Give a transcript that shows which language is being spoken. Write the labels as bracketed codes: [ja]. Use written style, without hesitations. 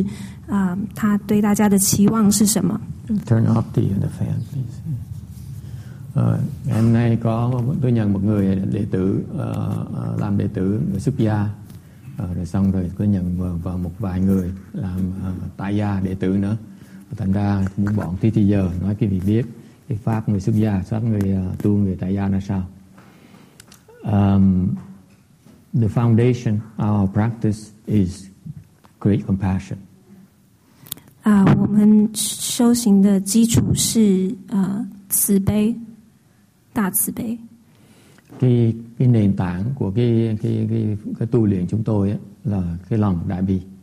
[zh] 法师说他要跟大家说，他今天接受了一个出家人，跟收了一个出家人，跟几个在家人，所以要解释他对大家的期望是什么。 [en] Turn off the fan, please. [vi] Hôm nay có tôi nhận một người đệ tử làm đệ tử người xuất gia. Rồi xong rồi có nhận vào một vài người làm tại gia đệ tử nữa. Thành ra muốn bọn tí thì giờ nói cái gì biết cái pháp người xuất gia, pháp người tu người tại gia là sao. [en] The foundation of our practice is great compassion. [zh] 我们修行的基础是 慈悲, 大慈悲. [vi] Cái nền tảng của cái tu luyện chúng tôi ấy, là cái lòng đại bi.